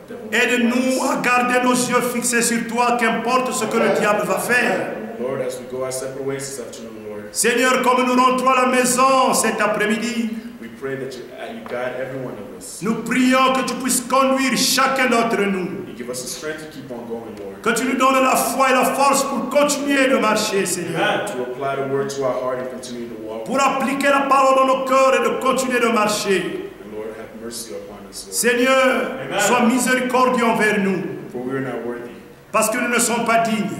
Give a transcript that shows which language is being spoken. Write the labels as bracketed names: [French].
[French] Aide-nous à garder nos yeux fixés sur toi, qu'importe ce que le diable va faire. [English] Lord, as we go our separate ways this afternoon, Lord. [French] Seigneur, comme nous rentrons à la maison cet après-midi, [English] we pray that you guide every one of us. [French] Nous prions que tu puisses conduire chacun d'entre nous. [English] You give us the strength to keep on going, Lord. [French] Que tu nous donnes la foi et la force pour continuer de marcher, Seigneur. [English] And to apply the word to our heart and continue to walk. [French] Pour appliquer la parole dans nos cœurs et de continuer de marcher. [English] And Lord, have mercy upon us, Lord. [French] Seigneur, Amen. Sois miséricordieux envers nous. [English] For we are not worthy. [French] Parce que nous ne sommes pas dignes.